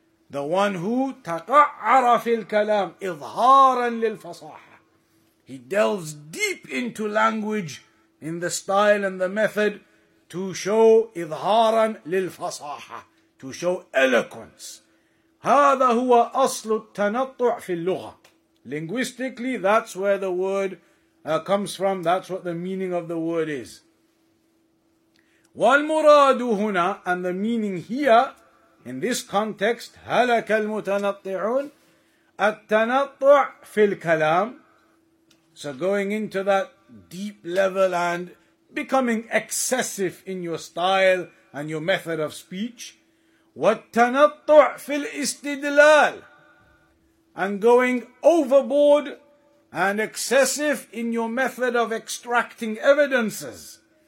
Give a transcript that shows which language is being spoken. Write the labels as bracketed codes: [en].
[en] The one who [ar] taqa'ara fil kalam idharan lil fasaha. [en] He delves deep into language in the style and the method to show [ar] idharan lil fasaha, [en] to show eloquence. [ar] هذا هو أصل التنطع في اللغة. [en] Linguistically, that's where the word comes from. That's what the meaning of the word is. [ar] والمراد هنا, [en] and the meaning here, in this context, [ar] هلك المتنطعون, التنطع في الكلام. [en] So going into that deep level and becoming excessive in your style and your method of speech. [ar] والتنطع في الاستدلال, [en] and going overboard and excessive in your method of extracting evidences.